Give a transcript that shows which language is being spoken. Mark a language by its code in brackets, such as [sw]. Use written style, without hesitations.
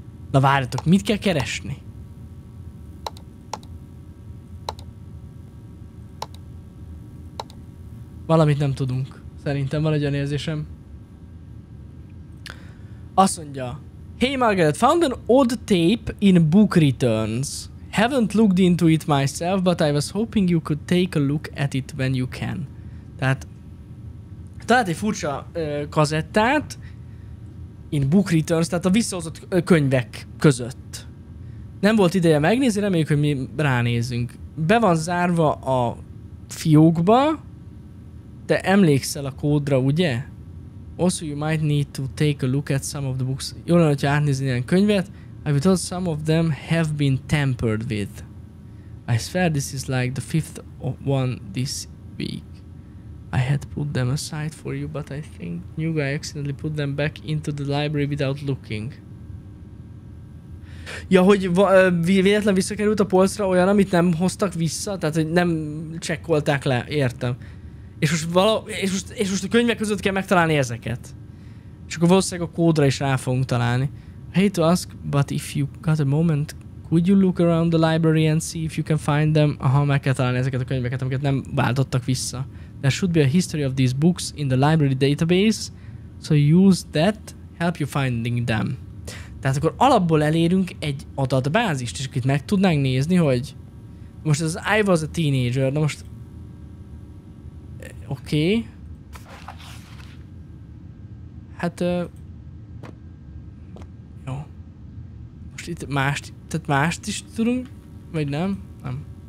[hu] Na várjatok, mit kell keresni? Valamit nem tudunk. Szerintem van egy olyan érzésem. Azt mondja... [en] Hey Margaret, found an odd tape in book returns. Haven't looked into it myself, but I was hoping you could take a look at it when you can. [hu] Tehát talált egy furcsa kazettát [en] in book returns, [hu] tehát a visszahozott könyvek között. Nem volt ideje megnézni, reméljük, hogy mi ránézünk. Be van zárva a fiókba, te emlékszel a kódra, ugye? [en] Also, you might need to take a look at some of the books. [hu] Jól lenne, hogyha átnézni ilyen könyvet. [en] I've been told some of them have been tampered with. I swear this is like the fifth one this week. I had put them aside for you, but I think new guy accidentally put them back into the library without looking. [hu] Ja, hogy véletlen visszakerült a polcra olyan, amit nem hoztak vissza, tehát hogy nem csekkolták le, értem. És most a könyvek között kell megtalálni ezeket. És akkor valószínűleg a kódra is rá fogunk találni. [en] I hate to ask, but if you got a moment, could you look around the library and see if you can find them? [hu] Aha, meg kell találni ezeket a könyveket, amiket nem váltottak vissza. [en] There should be a history of these books in the library database, so use that, help you finding them. [hu] Tehát akkor alapból elérünk egy adatbázist, és itt meg tudnánk nézni, hogy most az I was a teenager, na most oké. [en] Okay. [hu] Hát... Jó. Most itt mást... Tehát mást is tudunk? Vagy nem? Nem.